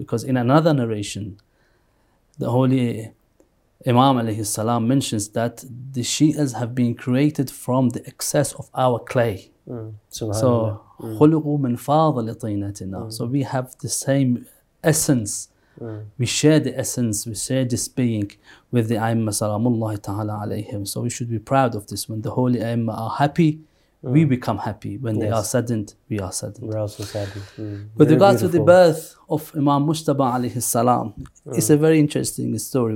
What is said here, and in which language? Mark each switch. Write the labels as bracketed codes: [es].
[en] Because in another narration, the Holy Imam alayhi salam mentions that the Shias have been created from the excess of our clay. [ar] So خلقوا من فاضل طينتنا. [en] So we have the same essence. We share the essence, we share this being with the A'imma salamullahi ta'ala alayhim. So we should be proud of this. When the holy A'imma are happy, we become happy. When they are saddened, we are saddened. We're also saddened. With regards to the birth of Imam Mujtaba alayhi salam, it's a very interesting story.